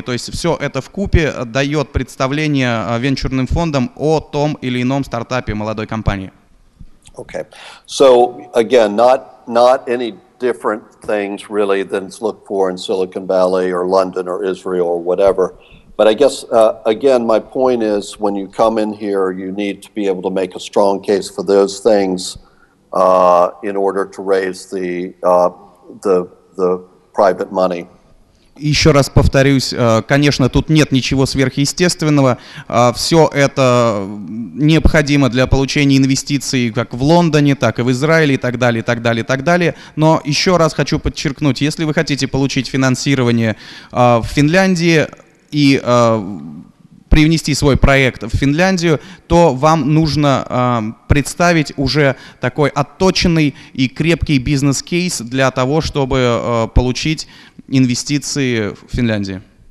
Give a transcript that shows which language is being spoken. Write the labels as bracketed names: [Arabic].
[Russian] То есть все это вкупе дает представление венчурным фондам о том или ином стартапе молодой компании. [English] Okay. So, again, not any different things really than it's looked for in Silicon Valley or London or Israel or whatever. But I guess, again, my point is when you come in here, you need to be able to make a strong case for those things in order to raise the private money. [Russian] Еще раз повторюсь, конечно, тут нет ничего сверхъестественного. Все это необходимо для получения инвестиций как в Лондоне, так и в Израиле и так далее, и так далее, и так далее. Но еще раз хочу подчеркнуть, если вы хотите получить финансирование в Финляндии и привнести свой проект в Финляндию, то вам нужно представить уже такой отточенный и крепкий бизнес-кейс для того, чтобы получить инвестиции в Финляндии.